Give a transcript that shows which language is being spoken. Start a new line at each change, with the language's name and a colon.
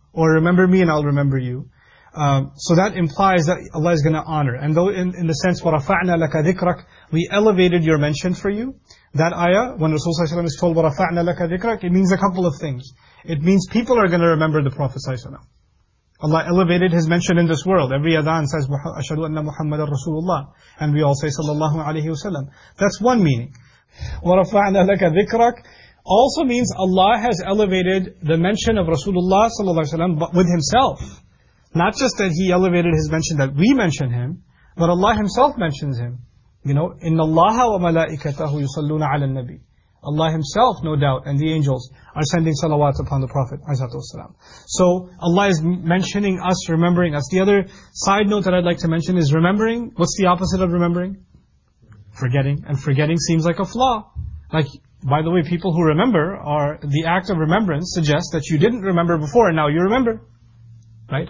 English: Or remember me and I'll remember you. So that implies that Allah is going to honor. And though in the sense,
Arabic: وَرَفَعْنَا لَكَ ذِكْرَكَ,
English: we elevated your mention for you. That ayah, when Rasulullah ﷺ is told,
Arabic: وَرَفَعْنَا لَكَ ذِكْرَكَ,
English: it means a couple of things. It means people are going to remember the Prophet ﷺ. Allah elevated his mention in this world. Every adhan says,
Arabic: أَشْهَدُ أَنَّ مُحَمَّدًا رَسُولُ اللَّهِ.
English: And we all say,
Arabic: صَلَّى اللَّهُ عَلَيْهِ وَسَلَّمُ.
English: That's one meaning.
Arabic: وَرَفَعْنَا لَكَ ذِكْرَكَ,
English: also means Allah has elevated the mention of Rasulullah sallallahu alaihi wasallam with himself. Not just that he elevated his mention that we mention him, but Allah himself mentions him. You know,
Arabic: إِنَّ اللَّهَ وَمَلَائِكَتَهُ يُصَلُّونَ عَلَى النَّبِيِّ.
English: Allah himself, no doubt, and the angels are sending salawat upon the Prophet ﷺ. So Allah is mentioning us, remembering us. The other side note that I'd like to mention is remembering. What's the opposite of remembering? Forgetting. And forgetting seems like a flaw. Like, by the way, people who remember are, the act of remembrance suggests that you didn't remember before and now you remember. Right?